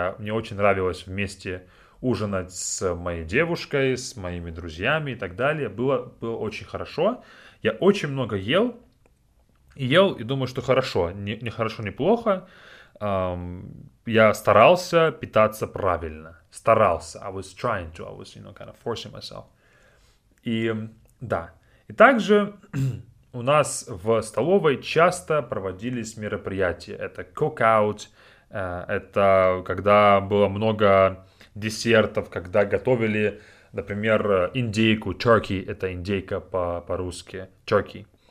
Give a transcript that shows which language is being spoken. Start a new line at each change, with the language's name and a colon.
Russian: Мне очень нравилось вместе ужинать с моей девушкой, с моими друзьями и так далее. Было очень хорошо. Я очень много ел. Ел и думаю, что хорошо. Не хорошо, не плохо. Я старался питаться правильно. Старался.
English: I was trying to. I was, you know, kind of forcing myself.
Russian: И да. И также у нас в столовой часто проводились мероприятия. Это cookout, это когда было много десертов, когда готовили, например, индейку, turkey, это индейка по-русски, turkey.